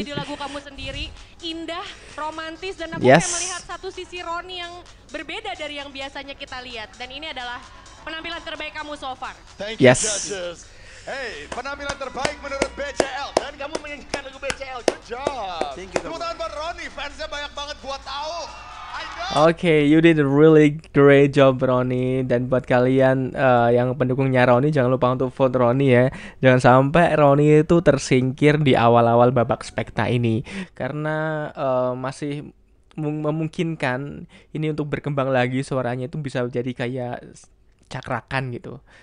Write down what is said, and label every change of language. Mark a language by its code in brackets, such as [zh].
[id] Jadi lagu kamu sendiri indah, romantis, dan aku yes. Melihat satu sisi Roni yang berbeda dari yang biasanya kita lihat, dan ini adalah penampilan terbaik kamu [en] so far. Thank you, yes. Judges. [id] Hey, penampilan terbaik menurut BCL, dan kamu menyanyikan lagu BCL. [en] Good job. Thank you. [id] Tepuk tangan buat Roni, fansnya banyak banget buat tahu. [en] Okay, you did a really great job, Roni. [id] Dan buat kalian yang pendukungnya Roni, jangan lupa untuk vote Roni ya. Jangan sampai Roni itu tersingkir di awal-awal babak spekta ini. Karena masih memungkinkan ini untuk berkembang lagi suaranya itu bisa jadi kayak cakrakan gitu.